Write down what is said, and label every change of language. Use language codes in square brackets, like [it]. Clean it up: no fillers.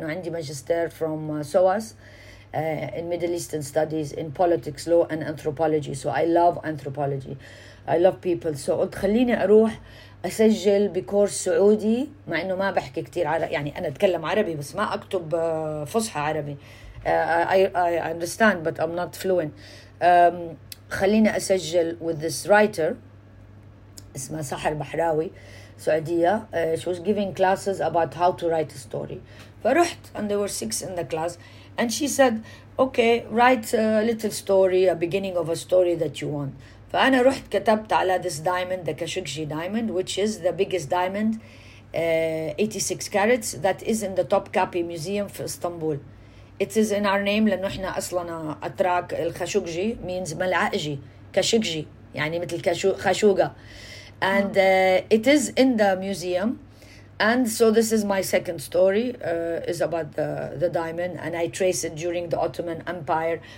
[en] And I have a magister from SOAS in Middle Eastern Studies in politics, law, and anthropology. So I love anthropology. I love people. [ar] So خليني أروح أسجل بكورس سعودي, مع إنه ما بحكي كتير عربي. يعني أنا أتكلم عربي بس ما أكتب فصحى عربي. [en] I understand, but I'm not fluent. [ar] خليني أسجل [en] with this writer. [ar] اسمها سحر بحراوي, سعودية. [en] She was giving classes about how to write a story. [ar] فرحت, [en] and there were 6 in the class. And she said, okay, write a little story, a beginning of a story that you want. [ar] فأنا رحت كتبت على [en] this diamond, the Khashoggi diamond, which is the biggest diamond, 86 carats, that is in the Topkapi Museum في Istanbul. It is in our name, [ar] لأنه إحنا أصلاً أتراك. الخشوجي means ملعقجي, كشوجي يعني مثل خشوقة. [en] And it is in the museum. And so this is my second story, is about the diamond. And I trace it during the Ottoman Empire.